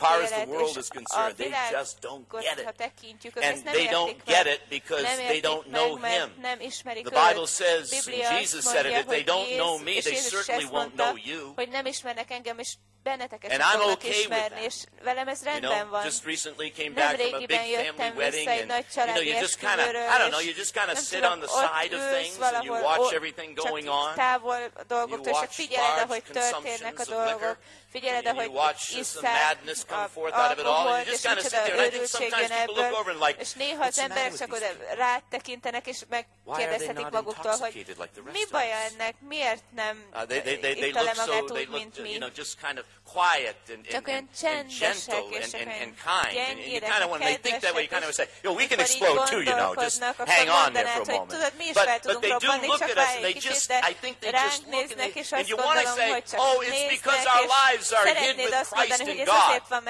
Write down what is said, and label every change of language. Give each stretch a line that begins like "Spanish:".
English: And as far as the world is concerned, they just don't get it. And they don't get it because they don't know him. The Bible says, Jesus said it, if they don't know me, they certainly won't know you.
Hungarian: Hogy nem ismernek engem, és benneteket sem fognak ismerni, és velem ez rendben van.
English: You know, just recently came back from a big family wedding, and you know, you just kind of, I don't know, you just kind of sit on the side of things, and you watch everything going on, you watch large consumptions of liquor,
Hungarian: figyeled,
English: and you watch some madness come forth out of it all, and you just kind of sit there, and I think sometimes people look over and like,
Hungarian: és néha az emberek csak oda rátekintenek, és megkérdezhetik maguktól, hogy mi baj ennek, miért nem ittale magát úgy, mint mi.
English: Quiet and gentle and kind. And you kind of, when they think that way, you kind of say, yo, we can explode too, you know, just hang on there for a moment. But they do look at us and they just, I think they just look at us and you want to say, oh, it's because our lives are hid with Christ and God.